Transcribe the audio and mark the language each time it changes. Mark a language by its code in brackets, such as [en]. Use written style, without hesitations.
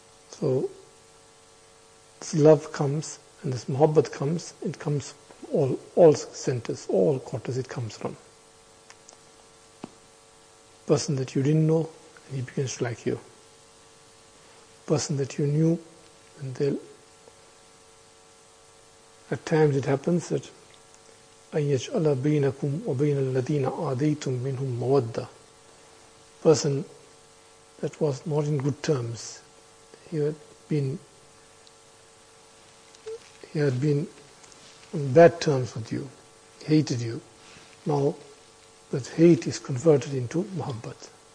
[en] So this love comes and this muhabbat comes, it comes from all centers, all quarters it comes from. Person that you didn't know, and he begins to like you. Person that you knew, and they'll... At times it happens that [ar] أن يجعل بينكم وبين الذين عاديتم منهم مودة. [en] Person that was not in good terms, he had been on bad terms with you, hated you. Now that hate is converted into muhabbat.